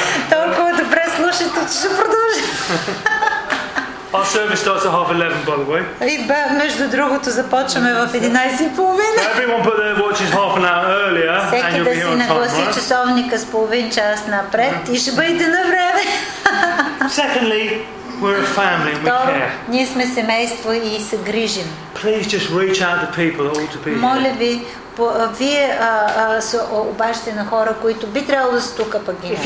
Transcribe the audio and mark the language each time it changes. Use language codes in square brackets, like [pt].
[bg] Толкова добре слушате, че ще продължи. [en] Our service starts at 11:30, by the way. [bg] Между другото започваме в 11:30. [en] Everyone put their watches 30 minutes earlier, and you'll be here on time. [bg] Всеки да си нагласи часовника с половин час напред и ще бъдете на време. [en] Secondly, we're a family and we care. [bg] Ние сме семейство и се грижим. [en] Please just reach out to people, all to people. [bg] Моля ви, вие се обаждате на хора, които би трябвало да са тук, пък ги